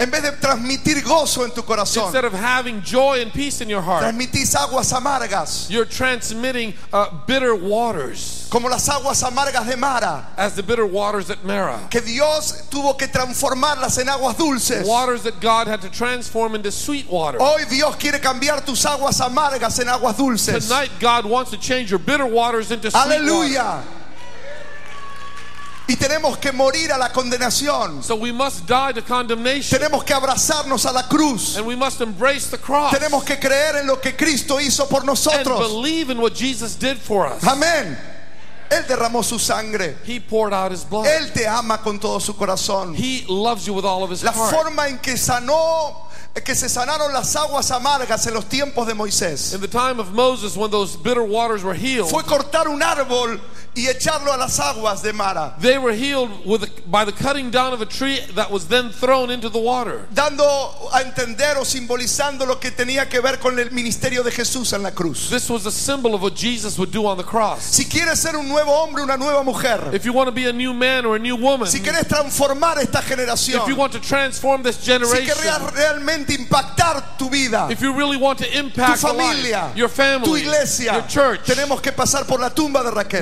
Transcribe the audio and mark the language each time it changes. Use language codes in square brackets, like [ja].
[es] en vez de transmitir gozo en tu corazón, [en] instead of having joy and peace in your heart, [es] transmitís aguas amargas, [en] you're transmitting bitter waters, [es] como las aguas amargas de Mara, [en] as the bitter waters at Mara, [es] que Dios tuvo que transformarlas en aguas dulces, [en] waters that God had to transform into sweet water. [es] Hoy Dios quiere cambiar tus aguas amargas en aguas dulces. [en] Tonight God wants to change your bitter waters into sweet water. [es] Aleluya. Y tenemos que morir a la condenación. [en] So we must die to condemnation. [es] Tenemos que abrazarnos a la cruz. [en] And we must embrace the cross. [es] Tenemos que creer en lo que Cristo hizo por nosotros. [en] And believe in what Jesus did for us. [es] Amén. Él derramó su sangre. [en] He poured out his blood. [es] Él te ama con todo su corazón. [en] He loves you with all of his heart. [es] La forma en que sanó, que se sanaron las aguas amargas en los tiempos de Moisés. [en] In the time of Moses, when those bitter waters were healed. [es] Fue cortar un árbol y echarlo a las aguas de Mara. [en] They were healed by the cutting down of a tree that was then thrown into the water. [es] Dando a entender o simbolizando lo que tenía que ver con el ministerio de Jesús en la cruz. [en] This was a symbol of what Jesus would do on the cross. [es] Si quieres ser un nuevo hombre, una nueva mujer. [en] If you want to be a new man or a new woman. [es] Si quieres transformar esta generación. [en] If you want to transform this generation. [es] Si quieres realmente impactar tu vida. [en] If you really want to impact [es] tu familia, [en] life, your family, [es] tu iglesia, [en] your church. [es] Tenemos que pasar por la tumba de Raquel.